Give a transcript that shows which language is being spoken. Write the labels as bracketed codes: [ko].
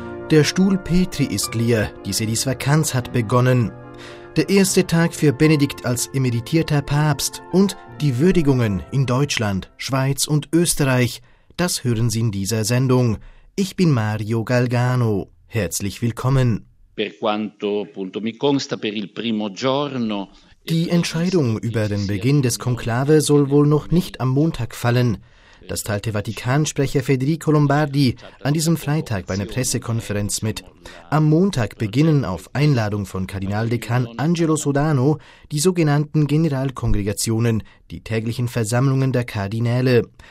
[de] Der Stuhl Petri ist leer, die Sedisvakanz hat begonnen. Der erste Tag für Benedikt als emeritierter Papst und die Würdigungen in Deutschland, Schweiz und Österreich, das hören Sie in dieser Sendung. Ich bin Mario Galgano, herzlich willkommen. [it] Per quanto appunto mi consta per il primo giorno. [de] Die Entscheidung über den Beginn des Konklave soll wohl noch nicht am Montag fallen. Das teilte Vatikansprecher Federico Lombardi an diesem Freitag bei einer Pressekonferenz mit. Am Montag beginnen auf Einladung von Kardinaldekan Angelo Sodano die sogenannten Generalkongregationen, die täglichen Versammlungen der Kardinäle.